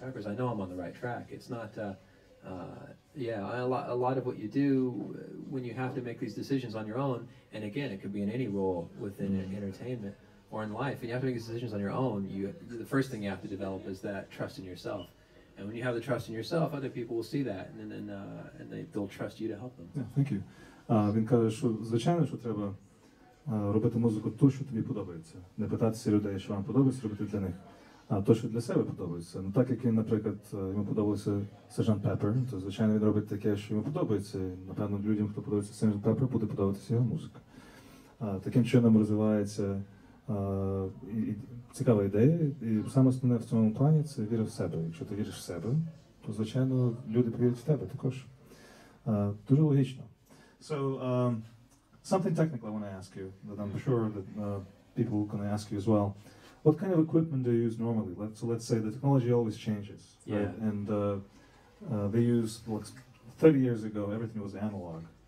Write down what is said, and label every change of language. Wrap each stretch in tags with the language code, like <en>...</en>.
<en>Pepper's, I know I'm on the right track. It's not, a lot of what you do when you have to make these decisions on your own, and again, it could be in any role within entertainment or in life, and you have to make these decisions on your own, the first thing you have to develop is that trust in yourself. And when you have the trust in yourself, other people will see that, and they'll trust you to help them. Yeah, thank you.</en> <uk>Він каже, що звичайно, що треба робити музику ту, що тобі подобається. Не питатися людей, що вам подобається, робити для них, а то, що для себе подобається. Ну так, як він, наприклад, йому подобався Сержант Пеппер, то, звичайно, він робить таке, що йому подобається. Напевно, людям, хто подобається Сержант Пеппер, буде подобатися його музика. Таким чином розвивається і цікава ідея. І саме основне в цьому плані – це віра в себе. Якщо ти віриш в себе, то, звичайно, люди повірять в тебе також. Дуже логічно.</uk> <en>So, something technical I want to ask you, that I'm sure that people are going to ask you as well. What kind of equipment do you use normally? Let's say the technology always changes. Right? Yeah. And they use, 30 years ago, everything was analog.</en>